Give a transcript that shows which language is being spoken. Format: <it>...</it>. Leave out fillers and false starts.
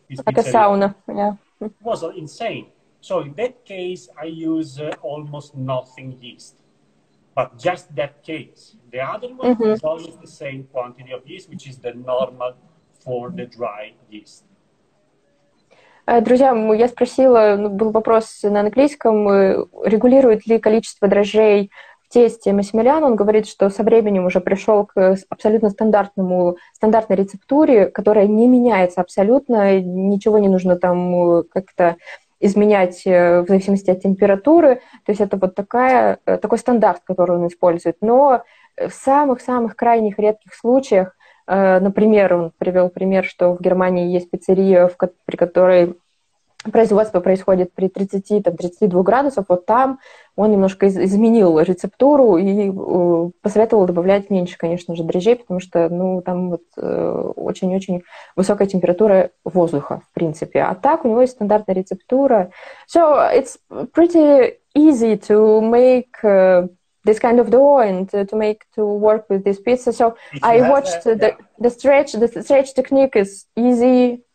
<en>Like a sauna, yeah. It was insane. So in that case, I use almost nothing yeast. But just that case. The other one is always the same quantity of yeast, which is the normal for the dry yeast.</en> <ru>Друзья, я спросила, был вопрос на английском, регулирует ли количество дрожжей в тесте Масимилиан, он говорит, что со временем уже пришел к абсолютно стандартному, стандартной рецептуре, которая не меняется абсолютно, ничего не нужно там как-то изменять в зависимости от температуры, то есть это вот такая, такой стандарт, который он использует. Но в самых-самых крайних редких случаях, например, он привел пример, что в Германии есть пиццерия, при которой производство происходит при 30-32 градусах, вот там он немножко изменил рецептуру и посоветовал добавлять меньше, конечно же, дрожжей, потому что ну, там вот, очень-очень высокая температура воздуха, в принципе. А так у него есть стандартная рецептура.</ru> <en>So it's pretty easy to make this kind of dough and to make to work with this pizza. So I watched the stretch technique is easy.</en>